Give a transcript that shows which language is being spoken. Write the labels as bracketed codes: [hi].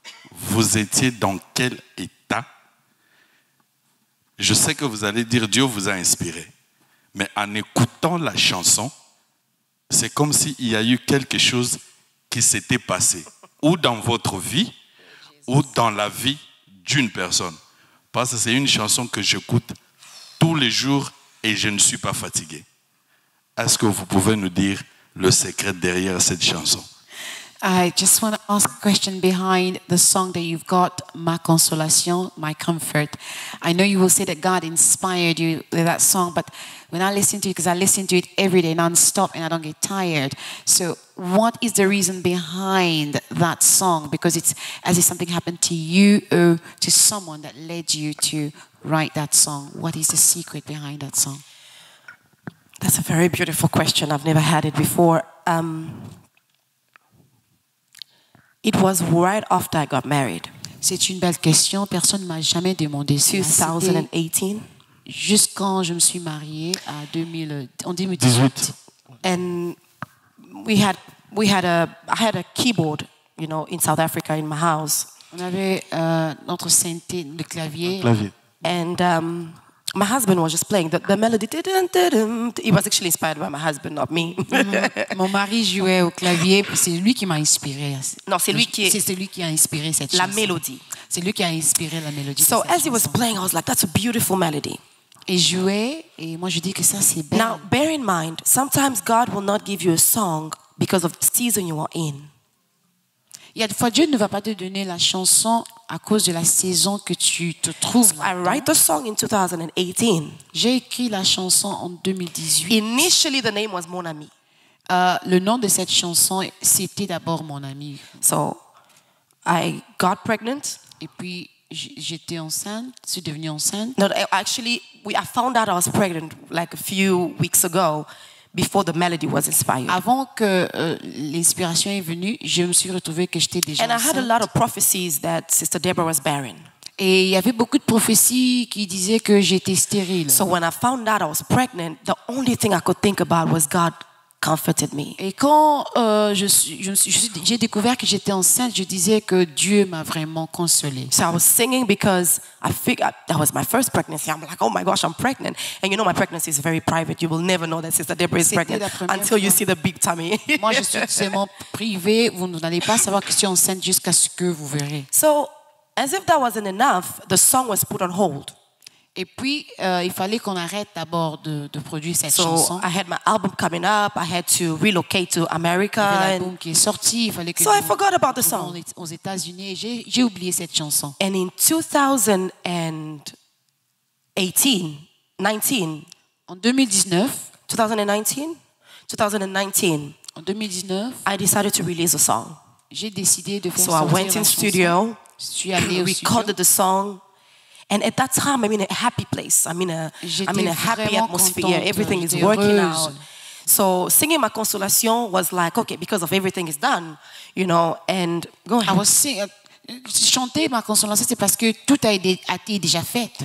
[fr] Vous étiez dans quel état? Je sais que vous allez dire Dieu vous a inspiré, mais en écoutant la chanson, c'est comme s'il y a eu quelque chose qui s'était passé, ou dans votre vie, ou dans la vie d'une personne. Parce que c'est une chanson que j'écoute tous les jours et je ne suis pas fatigué. Est-ce que vous pouvez nous dire le secret derrière cette chanson? [en] I just want to ask a question behind the song that you've got, Ma Consolation, My Comfort. I know you will say that God inspired you with that song, but when I listen to it, because I listen to it every day nonstop and I don't get tired. So what is the reason behind that song? Because it's as if something happened to you or to someone that led you to write that song. What is the secret behind that song? That's a very beautiful question. I've never had it before. It was right after I got married. [fr] C'est une belle question. Personne m'a jamais demandé. 2018. Jusqu'en je me suis mariée à 2018. [en] And I had a keyboard, you know, in South Africa in my house. [fr] On avait notre synthé, le clavier. [en] And my husband was just playing the melody. He was actually inspired by my husband, not me. [fr] Mon mari jouait au clavier, c'est lui qui m'a inspiré. Non, c'est lui qui. C'est celui qui a inspiré cette chanson. La mélodie. C'est lui qui a inspiré la mélodie. [en] So as he was playing, I was like, "That's a beautiful melody." [fr] Et jouait, et moi je dis que ça c'est belle. [en] Now bear in mind, sometimes God will not give you a song because of the season you are in. [fr] Il y a des fois Dieu ne va pas te donner la chanson à cause de la saison que tu te trouves. [en] So I write the song in 2018. [fr] J'ai écrit la chanson en 2018. [en] Initially, the name was Mon Ami. [fr] Le nom de cette chanson, c'était d'abord Mon Ami. [en] So, I got pregnant. [fr] Et puis, j'étais enceinte, je suis devenue enceinte. [en] No, actually, I found out I was pregnant like a few weeks ago. Before the melody was inspired. [fr] Avant que l'inspiration est venue, je me suis retrouvée que j'étais déjà enceinte. [en] And I had a lot of prophecies that Sister Deborah was barren. [fr] Et il y avait beaucoup de prophéties qui disaient que j'étais stérile. [en] So when I found out I was pregnant, the only thing I could think about was God comforted me. [fr] Et quand j'ai découvert que j'étais enceinte, je disais que Dieu m'a vraiment consolée. [en] So I was singing because I figured that was my first pregnancy. I'm like, oh my gosh, I'm pregnant. And you know, my pregnancy is very private. You will never know that Sister Deborah is pregnant until you see the big tummy. [fr] Moi, je suis seulement privée. Vous n'allez pas savoir que je suis enceinte jusqu'à ce que vous verrez. [en] So, as if that wasn't enough, the song was put on hold. [fr] Et puis, il fallait qu'on arrête d'abord de produire cette chanson. [en] So, I had my album coming up. I had to relocate to America. [fr] Il y avait l'album qui est sorti. Il fallait que [en] so, I forgot about the song. [fr] Aux États-Unis, j'ai oublié cette chanson. [en] And in 2019, I decided to release a song. [fr] J'ai décidé de faire [en] so, [fr] sortir [en] I went in studio. [fr] Suis allée au [en] recorded [fr] studio. [en] The song. And at that time, I'm in a happy place. I'm in a happy atmosphere. [fr] Contente, [en] everything is working out. So singing Ma Consolation was like, okay, because of everything is done, you know, and go ahead. I was singing. [fr] Chanter Ma Consolation, c'est parce que tout a été déjà fait.